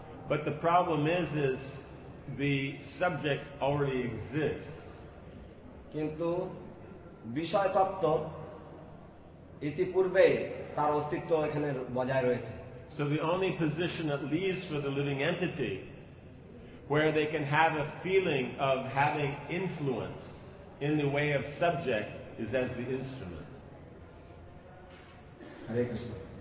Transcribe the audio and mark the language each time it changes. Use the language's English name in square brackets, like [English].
[English] But the problem is the subject already exists. [Bangla] কিন্তু বিষয় তত্ত্ব ইতিপূর্বে তার অস্তিত্ব এখানে বজায় রয়েছে। [English] So the only position that leaves for the living entity where they can have a feeling of having influence in the way of subject is as the instrument. Hare Krishna.